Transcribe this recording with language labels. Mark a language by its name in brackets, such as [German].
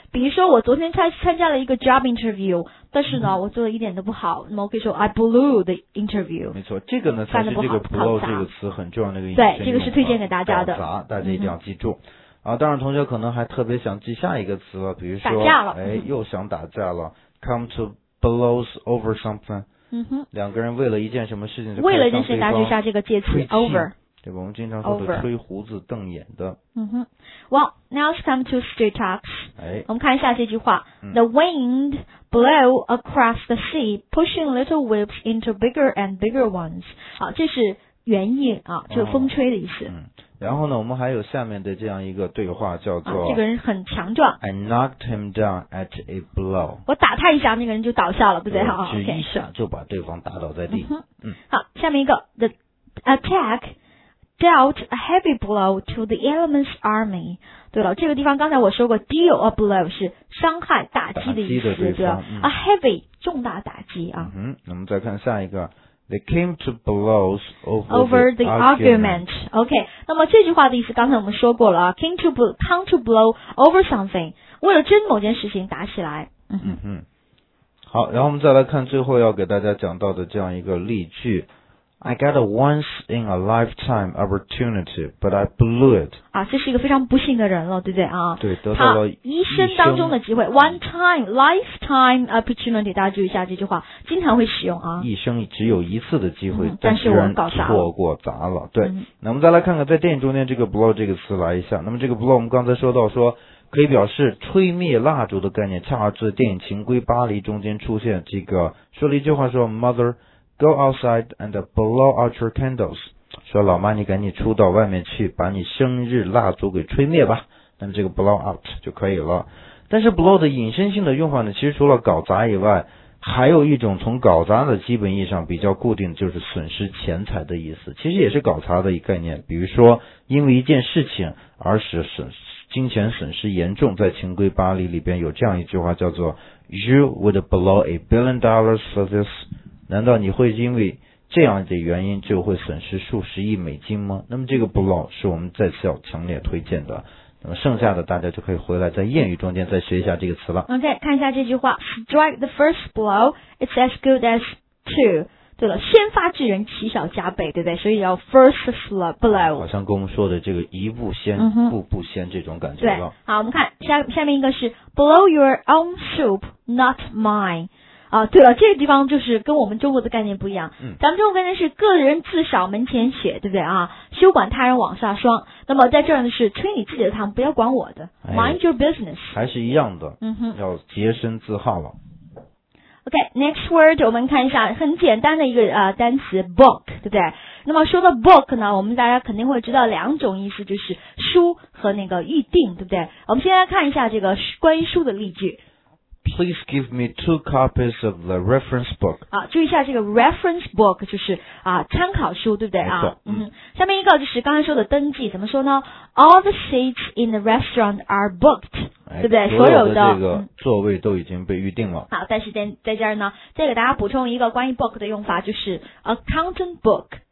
[Chinese] 比如说，我昨天参加了一个 job interview， 但是呢，我做的一点都不好，那么我可以说 [English] I blew the interview。 [Chinese] 没错，这个呢才是这个 blow 这个词很重要的一个意思。对，这个是推荐给大家的。砸，大家一定要记住。当然同学可能还特别想记下一个词了，比如说，打架了，又想打架了 ， [English] come to blows over something。 [Chinese] 两个人为了一件什么事情就开始上对方，为了一件事情，大家就下这个介词 over，对吧？我们经常说的吹胡子瞪眼的。 [English] Well, now it's time to street talks。哎， [Chinese] 我们看一下这句话、： [English] The wind blew across the sea, pushing little waves into bigger and bigger ones。 [Chinese] 好，这是原意啊，就是风吹的意思。然后呢，我们还有下面的这样一个对话，叫做、这个人很强壮。 [English] I knocked him down at a blow。 [Chinese] 我打他一下，那个人就倒下了，对不对？好，只一下就把对方打倒在地。好，下面一个 [English] ，The attack dealt a heavy blow to the enemy's army。 [Chinese] 对了，这个地方刚才我说过 ，deal a blow 是伤害、打击的意思，对吧？ [English] A heavy [Chinese] 重大打击啊。 [English] 那么再看下一个。They came to blows over the argument. [Chinese] Okay, 那么这句话的意思刚才我们说过了啊 [English] come to blow over something, [Chinese] 为了争某件事情打起来。嗯哼。好，然后我们再来看最后要给大家讲到的这样一个例句。 [English] I got a once in a lifetime opportunity, but I blew it. [Chinese] 啊，这是一个非常不幸的人了，对不对啊？对，得到了一生当中的机会 ， [English] one time lifetime opportunity. [Chinese] 大家注意一下这句话，经常会使用啊。一生只有一次的机会，但是我搞砸了，错过砸了。对，那我们再来看看在电影中间这个 blow 这个词来一下。那么这个 blow 我们刚才说到说。可以表示吹灭蜡烛的概念，恰好在电影《情归巴黎》中间出现。这个说了一句话说 [English] ，Mother, go outside and blow out your candles。 [Chinese] 说老妈，你赶紧出到外面去，把你生日蜡烛给吹灭吧。那么这个 [English] blow out [Chinese] 就可以了。但是 blow 的引申性的用法呢，其实除了搞砸以外，还有一种从搞砸的基本意义上比较固定，就是损失钱财的意思。其实也是搞砸的一概念。比如说，因为一件事情而使损失。金钱损失严重，在《情归巴黎》里边有这样一句话叫做 [English] You would blow $1 billion for this [Chinese] 难道你会因为这样的原因就会损失数十亿美金吗？那么这个 blow 是我们再次要强烈推荐的，那么剩下的大家就可以回来在谚语中间再学一下这个词了。 [English] OK， [Chinese] 看一下这句话 [English] Strike the first blow, it's as good as two。 [Chinese] 对了，先发制人，奇小加倍，对不对？所以要 first blow。好像跟我们说的这个一步先，步步先这种感觉。对，好，我们看下面一个是 [English] blow your own soup, not mine。 [Chinese] 啊，对了，这个地方就是跟我们中国的概念不一样。咱们中国概念是个人自扫门前雪，对不对啊？休管他人枉上霜。那么在这儿呢是吹你自己的汤，不要管我的、哎、 [English] ，mind your business。 [Chinese] 还是一样的，嗯哼，要洁身自好了。 [English] Okay, next word, [Chinese] 我们看一下很简单的一个单词 book, 对不对？那么说到 book 呢，我们大家肯定会知道两种意思，就是书和那个预定，对不对？我们先来看一下这个关于书的例句。 [English] Please give me two copies of the reference book. [Chinese] 啊，注意一下这个 [English] reference book [Chinese] 就是啊参考书，对不对啊？嗯。下面一个就是刚才说的登记，怎么说呢 [English] ？All the seats in the restaurant are booked. [Chinese] 对不对？所有的这个座位都已经被预定了。好，但是在这儿呢，再给大家补充一个关于 book 的用法，就是 [English] accountant book。